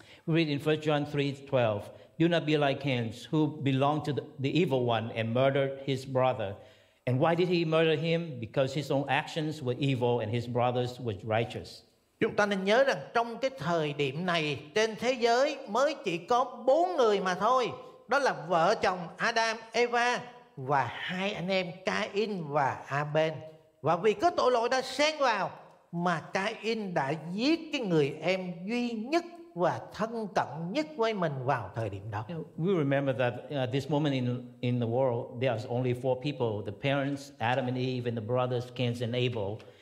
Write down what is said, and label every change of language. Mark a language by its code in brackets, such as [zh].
[en] Read in 1 John 3:12. Do not be like Cain, who belonged to the evil one and murdered his brother. And why did he murder him? Because his own actions were evil and his brother's was righteous. [vi] Chúng ta nên nhớ rằng trong cái thời điểm này, trên thế giới mới chỉ có 4 người mà thôi. Đó là vợ chồng Adam, Eva và hai anh em Cain và Abel. Và vì có tội lỗi đã xen vào mà Cain đã giết cái người em duy nhất và thân cận nhất với mình vào thời điểm đó. [en] We remember that at this moment in the world there are only 4 people, the parents Adam and Eve and the brothers Cain and Abel.